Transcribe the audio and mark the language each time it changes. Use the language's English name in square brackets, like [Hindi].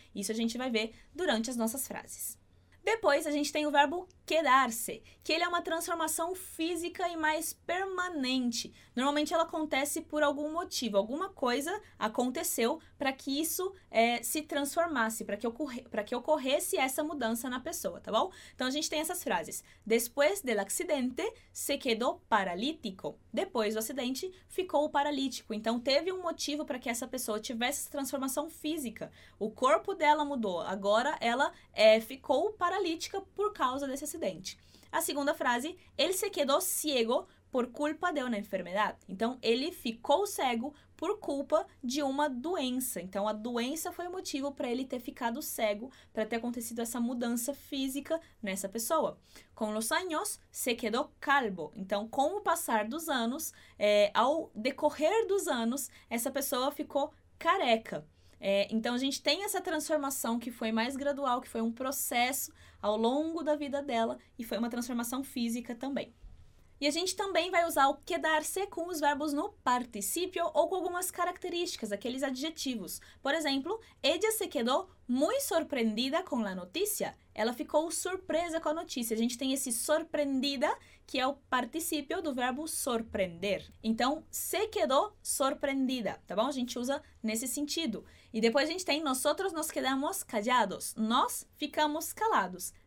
[Portuguese] Isso a gente vai ver durante as nossas frases. Depois, a gente tem o verbo quedar-se, que ele é uma transformação física e mais permanente. Normalmente, ela acontece por algum motivo, alguma coisa aconteceu para que isso se transformasse, para que ocorresse essa mudança na pessoa, tá bom? Então, a gente tem essas frases. [Spanish] Después del accidente, se quedó paralítico. [Portuguese] Depois do acidente, ficou paralítico. Então, teve um motivo para que essa pessoa tivesse transformação física. O corpo dela mudou, agora ela ficou paralítica por causa desse acidente. A segunda frase, ele se quedou [Spanish] ciego por culpa de una enfermedad. [Portuguese] Então, ele ficou cego por culpa de uma doença. Então, a doença foi o motivo para ele ter ficado cego, para ter acontecido essa mudança física nessa pessoa. [Spanish] Con los años, se quedó calvo. [Portuguese] Então, com o passar dos anos, ao decorrer dos anos, essa pessoa ficou careca. Então, a gente tem essa transformação que foi mais gradual, que foi um processo ao longo da vida dela e foi uma transformação física também. E a gente também vai usar o quedar-se com os verbos no particípio ou com algumas características, aqueles adjetivos. Por exemplo, [Spanish] ella se quedó muy sorprendida con la noticia. [Portuguese] Ela ficou surpresa com a notícia. A gente tem esse sorprendida, que é o particípio do verbo sorprender. Então, se quedó sorprendida, tá bom? A gente usa nesse sentido. E depois a gente tem [Spanish] nosotros nos quedamos callados. [Portuguese] Nós ficamos calados.